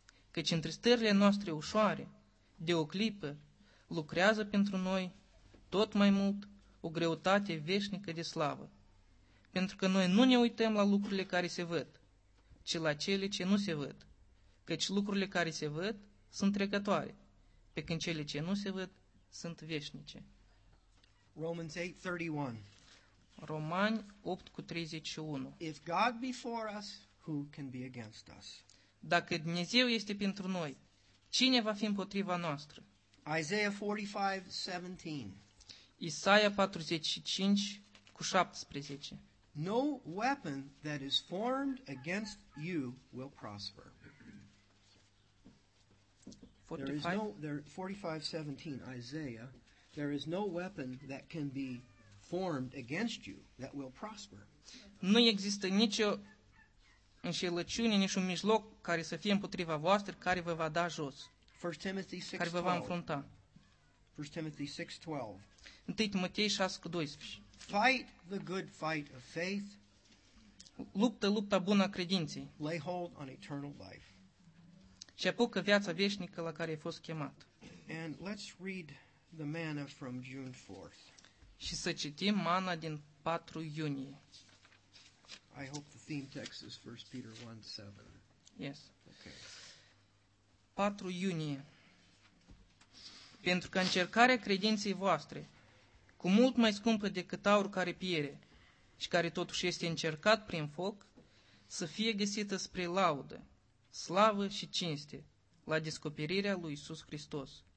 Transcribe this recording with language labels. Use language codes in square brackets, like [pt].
[ro] căci întristările noastre ușoare, de o clipă, lucrează pentru noi tot mai mult o greutate veșnică de slavă, pentru că noi nu ne uităm la lucrurile care se văd, ci la cele ce nu se văd, căci lucrurile care se văd sunt trecătoare, pe când cele ce nu se văd sunt veșnice. [en] Romans 8:31. [ro] Romani 8:31. [en] If God be for us, who can be against us? [ro] Dacă Dumnezeu este pentru noi, cine va fi împotriva noastră? [en] Isaiah 45:17. [ro] Isaia 45:17. [en] No weapon that is formed against you will prosper. 45:17 Isaiah. There is no weapon that can be formed against you that will prosper. [ro] Nu există nicio înșelăciune, niciun mijloc care să fie împotriva voastră, care vă va da jos, care vă va înfrunta. 1 Timotei 6:12. [en] Fight the good fight of faith. [ro] Luptă lupta bună a credinței. [en] Lay hold on eternal life. [ro] Și apucă viața veșnică la care ai fost chemat. [en] And let's read the manna from June 4th. [ro] Și să citim mana din 4 iunie. [en] I hope the theme text is 1 Peter 1:7. Yes. Okay. [ro] 4 iunie. Pentru că încercarea credinței voastre, cu mult mai scumpă decât aur care piere și care totuși este încercat prin foc, să fie găsită spre laudă, slavă și cinste la descoperirea lui Iisus Hristos.